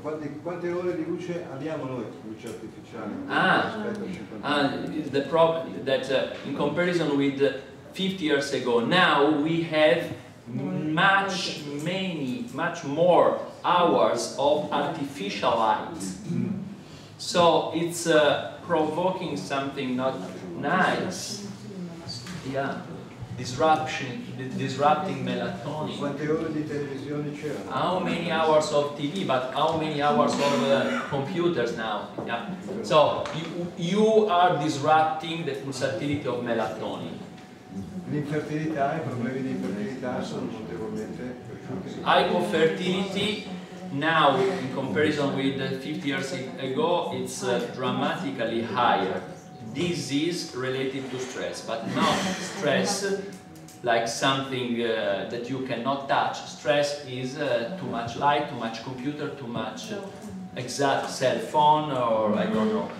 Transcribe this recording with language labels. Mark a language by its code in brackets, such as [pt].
[it] Quante ore di luce abbiamo noi, luce artificiale? [en] The problem that in comparison with 50 years ago, now we have much more hours of artificial light. So it's provoking something not nice. Yeah. Disrupting melatonin. [it] Quante ore di televisione c'erano? [en] How many hours of TV, but how many hours of computers now? Yeah. So you are disrupting the pulsatility of melatonin. [it] L'infertilità, I problemi di infertilità sono notevolmente cresciuti. [en] Hypofertility now, in comparison with 50 years ago, it's dramatically higher. Disease related to stress, but not stress like something that you cannot touch. Stress is too much light, too much computer, too much exact cell phone, or I don't know.